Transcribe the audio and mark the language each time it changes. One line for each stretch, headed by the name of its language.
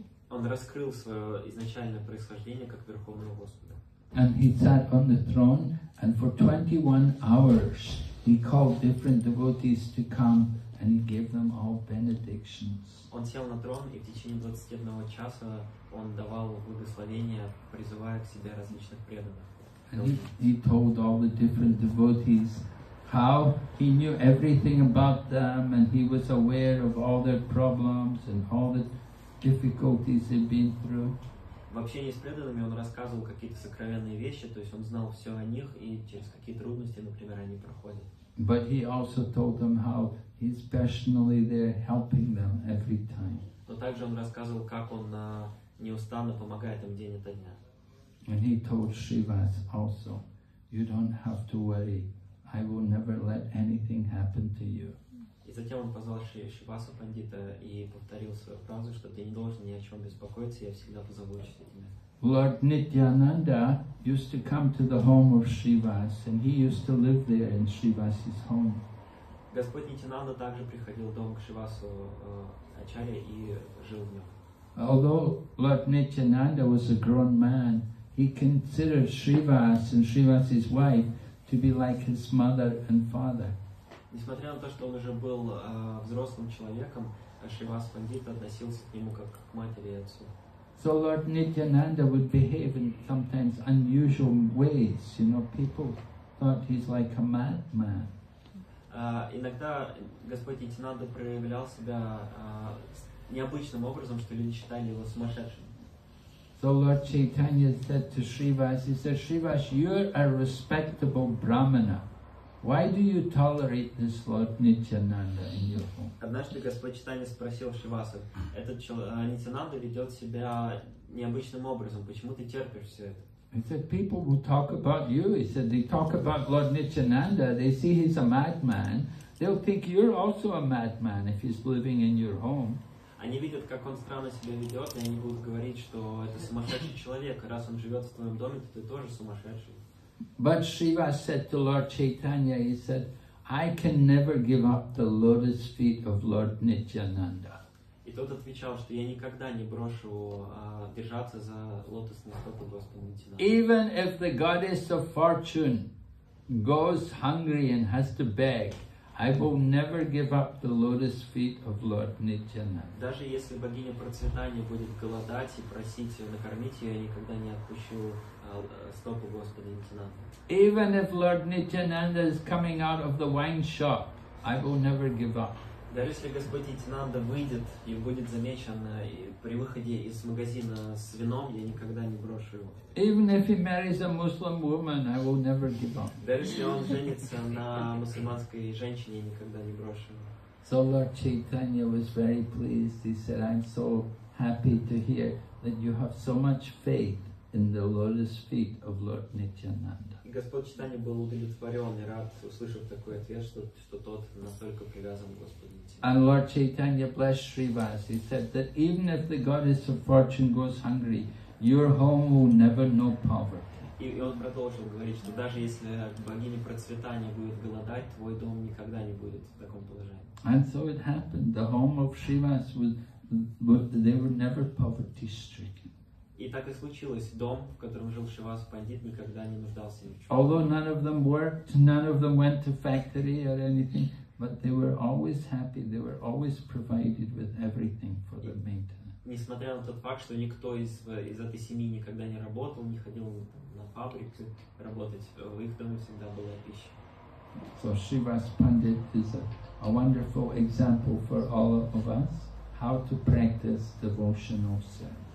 Russian: Он раскрыл свое изначальное происхождение как Верховного Господа.
English: And he sat on the throne, and for 21 hours he called different devotees to come and give them all benedictions.
Russian: Он сел на трон, и в течение 21 часа он давал благословения, призывая к себе различных преданных.
English: And he told all the different devotees how he knew everything about them and he was aware of all their problems and all the difficulties they've been through.
Russian: В общении с преданными он рассказывал какие-то сокровенные вещи, то есть он знал все о них и через какие трудности, например, они проходят.
English: But he also told them how he's personally there helping them every time.
Russian: Но также он рассказывал, как он неустанно помогает им день ото дня.
English: And he told Shrivas also, you don't have to worry, I will never let anything happen to you.
Russian: И затем он позвал Шривасу Пандита и повторил свою фразу, что ты не должен ни о чем беспокоиться, я всегда позабочусь о тебе.
English: Lord Nityananda used to come to the home of Shrivas, and he used to live there in Shrivas's home.
Russian: Господь Нитянанда также приходил в дом к Шривасу Ачарья и жил в нем.
English: Although Lord Nityananda was a grown man, he considered Shrivas and Shrivas's wife to be like his mother and father.
Russian: Несмотря на то, что он уже был взрослым человеком, Шривас Пандит относился к нему как к матери и отцу.
English: So Lord Nityananda would behave in sometimes unusual ways. You know, people thought he's like a madman.
Russian: Иногда Господь Нитянанда проявлял себя необычным образом, что люди считали его сумасшедшим.
English: So Lord Chaitanya said to Shrivas, he said, Shrivas, you're a respectable brahmana. Why do you tolerate this Lord Nityananda in your home?
Russian: Однажды Господь Чайтанья спросил Шривасу, этот Нитянанда ведет себя необычным образом, почему ты терпишь все это?
English: He said, people will talk about you. He said, they talk about Lord Nityananda, they see he's a madman. They'll think you're also a madman if he's living in your home.
Russian: Они видят, как он странно себя ведет, и они будут говорить, что это сумасшедший человек. Раз он живет в твоем доме, то ты тоже сумасшедший.
English: But Shiva said to Lord Chaitanya, he said, I can never give up the lotus feet of Lord Nityananda.
Russian: И тот отвечал, что я никогда не брошу держаться за лотосные стопы Господа Нитянанда.
English: Even if the goddess of fortune goes hungry and has to beg, I will never give up the lotus feet of Lord Nityananda.
Russian: Даже если богиня процветания будет голодать и просить ее накормить ее, я никогда не отпущу стопы Господа Нитянанда.
English: Even if Lord Nityananda is coming out of the wine shop, I will never give up.
Russian: Даже если Господь Нитянанда выйдет и будет замечен при выходе из магазина с вином, я никогда не брошу его.
English: Even if he marries a Muslim woman, I will never give up.
Russian: Даже если он женится на мусульманской женщине, я никогда не брошу его.
English: So Lord Chaitanya was very pleased. He said, I'm so happy to hear that you have so much faith in the lotus feet of Lord Nityananda.
Russian: Господь Читания был удовлетворен и рад, услышав такой ответ, что, что тот настолько привязан к Господу Нитянанду.
English: And Lord Chaitanya blessed Srivas. He said that even if the goddess of fortune goes hungry, your home will never know poverty.
Russian: И он продолжил говорить, что даже если богиня процветания будет голодать, твой дом никогда не будет в таком положении.
English: And so it happened. The home of Srivas was, they were never poverty stricken.
Russian: И так и случилось. Дом, в котором жил Шивас Пандит, никогда не нуждался ни в чем.
English: Although none of them worked, none of them went to factory or anything, but they were always happy, they were always provided with everything for their maintenance.
Russian: Несмотря на тот факт, что никто из этой семьи никогда не работал, не ходил на фабрику работать, в их доме всегда была пища.
English: So Shivas Pandit is a wonderful example for all of us how to practice devotional service.